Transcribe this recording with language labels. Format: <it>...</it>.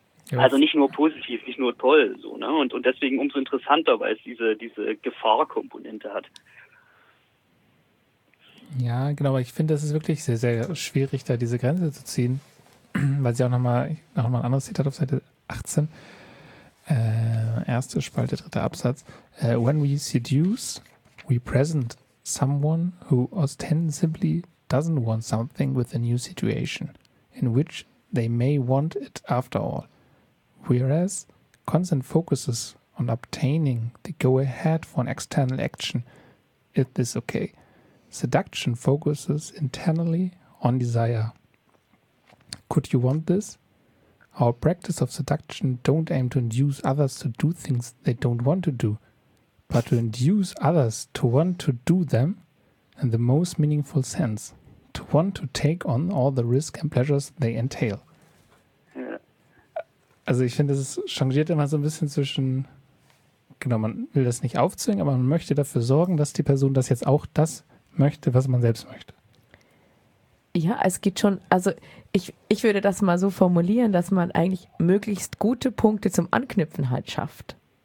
<de>Ja. Also nicht nur positiv, nicht nur toll, so, ne? Und deswegen umso interessanter, weil es diese Gefahrkomponente hat. Ja, genau, aber ich finde, das ist wirklich sehr, sehr schwierig, da diese Grenze zu ziehen, weil sie auch nochmal ein anderes Zitat auf Seite 18, erste Spalte, dritter Absatz.</de> <en>When we seduce, we present someone who ostensibly doesn't want something with a new situation, in which they may want it after all. Whereas constant focuses on obtaining the go-ahead for an external action, it is okay. Seduction focuses internally on desire. Could you want this? Our practice of seduction don't aim to induce others to do things they don't want to do, but to induce others to want to do them in the most meaningful sense, to want to take on all the risk and pleasures they entail.</en> <de>Also ich finde, es changiert immer so ein bisschen zwischen, genau, man will das nicht aufzwingen, aber man möchte dafür sorgen, dass die Person das jetzt auch das möchte, was man selbst möchte. Ja, es geht schon, also ich würde das mal so formulieren, dass man eigentlich möglichst gute Punkte zum Anknüpfen halt schafft.</de>